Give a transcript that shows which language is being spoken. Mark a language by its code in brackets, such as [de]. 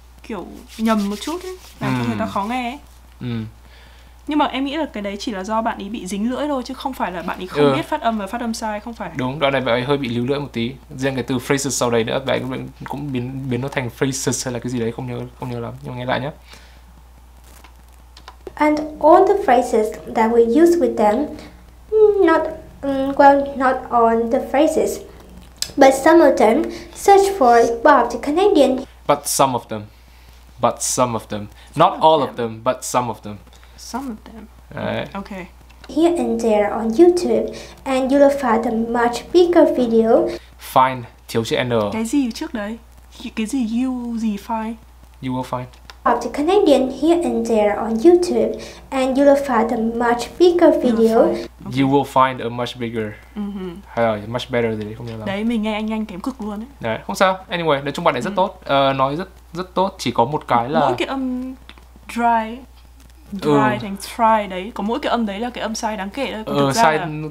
[vi] kiểu nhầm một chút ấy, làm cho người ta khó nghe ấy. Nhưng mà em nghĩ là cái đấy chỉ là do bạn ấy bị dính lưỡi thôi, chứ không phải là bạn ấy không biết phát âm và phát âm sai, không phải. Đúng, đoạn này bạn ấy hơi bị líu lưỡi một tí. Riêng cái từ phrases sau đấy nữa, bạn ấy cũng biến nó thành phrases hay là cái gì đấy, không nhớ lắm. Nhưng mà nghe lại nhé. [en] And all the phrases that we use with them, not all the phrases, but some of them, search for Bob the Canadian. But some of them. Not all of them, but some of them. Some of them. Right. Okay. Here and there on YouTube, and you'll find a much bigger video. [vi] Find thiếu chữ N. Cái gì trước đấy? Cái gì find? [en] You will find. Of the Canadian here and there on YouTube, and you'll find a much bigger video. You will find a much bigger. Mm-hmm. [vi] Hay là much better thì không nhớ lắm. Đấy, mình nghe anh nhanh kém cực luôn ấy. Đấy, không sao. Anyway, nói chung bạn ấy rất tốt. Nói rất tốt. Chỉ có một cái là... Mỗi cái âm dry. Dry thành try đấy. Có mỗi cái âm đấy là cái âm sai đáng kể thôi. Sai là...